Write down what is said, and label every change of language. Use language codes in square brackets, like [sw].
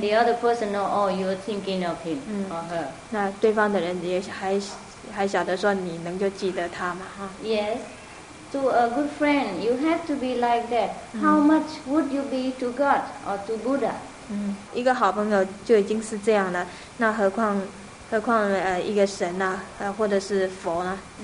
[en] the other person know, oh, you're thinking of him or her. [zh] 那对方的人也还晓得说你能够记得他嘛，哈。 [en] Yes. To a good friend, you have to be like that. How much would you be to God or to Buddha? [zh] 一个好朋友就已经是这样了，那何况一个神呐，或者是佛呢？